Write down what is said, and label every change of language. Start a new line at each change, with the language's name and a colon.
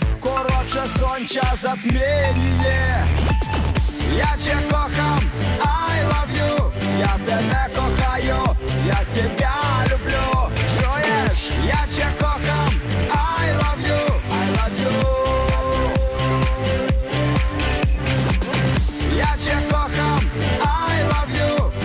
Ukrainian: Коротше сонця затмінює. Я тебе кохам,
English: I love you.
Ukrainian: Я тебе кохаю, я тебе люблю. Чуєш? Я тебе кохам,
English: I love you. I love you.
Ukrainian: Я тебе кохам,
English: I love you.